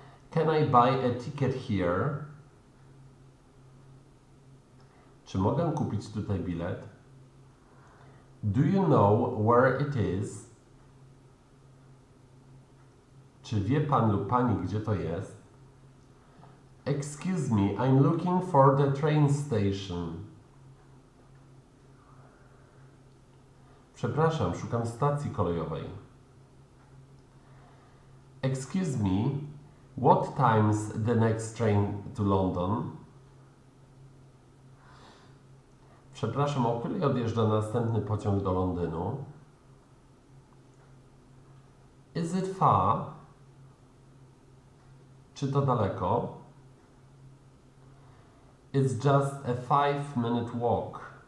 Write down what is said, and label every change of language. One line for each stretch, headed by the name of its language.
English: Can I buy a ticket here?
Polish: Czy mogę kupić tutaj bilet?
English: Do you know where it is?
Polish: Czy wie pan lub pani, gdzie to jest?
English: Excuse me, I'm looking for the train station.
Polish: Przepraszam, szukam stacji kolejowej.
English: Excuse me, what time's the next train to London?
Polish: Przepraszam, o której odjeżdża następny pociąg do Londynu?
English: Is it far?
Polish: Czy to daleko?
English: It's just a 5-minute walk.